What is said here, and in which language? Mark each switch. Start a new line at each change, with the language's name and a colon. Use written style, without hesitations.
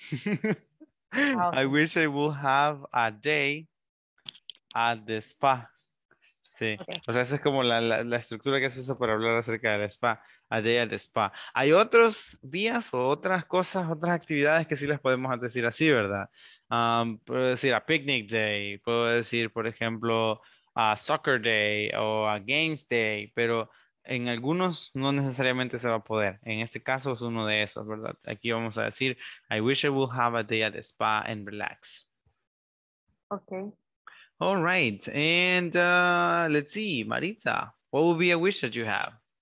English: Okay. I wish I would have a day at the spa.
Spanish: Sí, okay. O sea, esa es como la estructura que se usa para hablar acerca del spa.
English: A day at the spa.
Spanish: Hay otros días o otras cosas, otras actividades que sí las podemos decir así, ¿verdad? Puedo decir a picnic day, puedo decir, por ejemplo, a soccer day o a games day, pero en algunos no necesariamente se va a poder. En este caso es uno de esos, ¿verdad? Aquí vamos a decir,
English: I wish I would have a day at the spa and relax. Okay. All right. And let's see, Marita, what would be a wish that you have?